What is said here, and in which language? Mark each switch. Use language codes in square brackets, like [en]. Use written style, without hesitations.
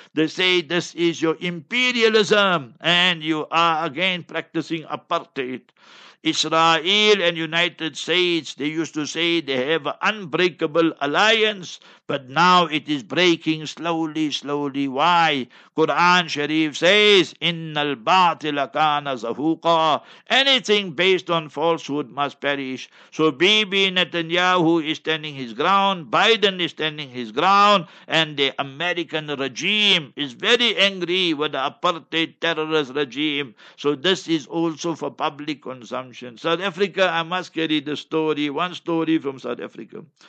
[en] They say, this is your imperialism and you are again practicing apartheid. Israel and United States, they used to say they have an unbreakable alliance, but now it is breaking slowly. Why? Quran Sharif says, [ar] إِنَّ الْبَاطِلَ كَانَ زَهُوقًا. [en] Anything based on falsehood must perish. So Bibi Netanyahu is standing his ground, Biden is standing his ground, and the American regime is very angry with the apartheid terrorist regime. So this is also for public consumption. South Africa, I must carry the story, one story from South Africa.